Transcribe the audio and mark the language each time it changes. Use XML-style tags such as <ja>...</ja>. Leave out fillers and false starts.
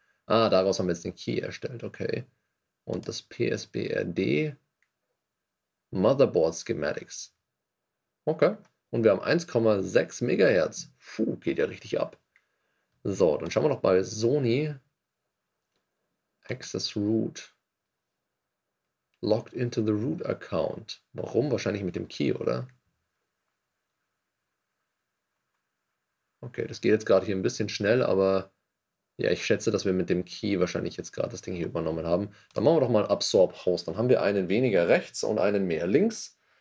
<de>Ah, daraus haben wir jetzt den Key erstellt, okay. Und das PSBRD Motherboard Schematics. Okay. Und wir haben 1,6 MHz. Puh, geht ja richtig ab. So, dann schauen wir noch bei Sony.</de> <en>Access Root. Logged into the Root Account.</en> <de>Warum? Wahrscheinlich mit dem Key, oder? Okay, das geht jetzt gerade hier ein bisschen schnell, aber ja, ich schätze, dass wir mit dem Key wahrscheinlich jetzt gerade das Ding hier übernommen haben. Dann machen wir doch mal Absorb Host. Dann haben wir einen weniger rechts und einen mehr links.</de>